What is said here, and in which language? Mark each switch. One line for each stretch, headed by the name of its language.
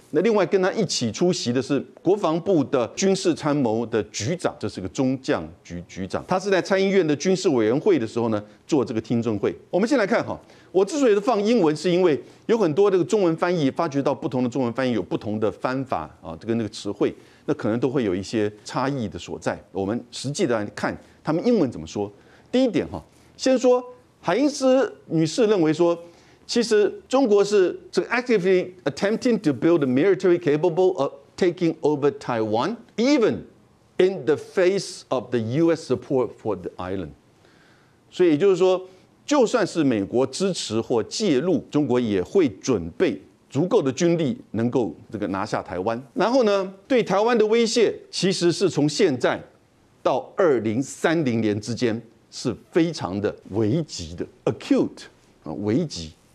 Chinese: 那另外跟他一起出席的是国防部的军事参谋的局长，这是个中将局局长，他是在参议院的军事委员会的时候呢做这个听证会。我们先来看哈，我之所以放英文，是因为有很多这个中文翻译，发觉到不同的中文翻译有不同的翻法啊，这个那个词汇，那可能都会有一些差异的所在。我们实际的来看他们英文怎么说。第一点哈，先说海因斯女士认为说，其实中国是这个
English: actively attempting to build a military capable of taking over Taiwan, even in the face of the U.S. support for the island。
Chinese: 所以也就是说，就算是美国支持或介入，中国也会准备足够的军力能够这个拿下台湾。然后呢，对台湾的威胁其实是从现在到2030年之间是非常的危急的 ，acute 啊，危急。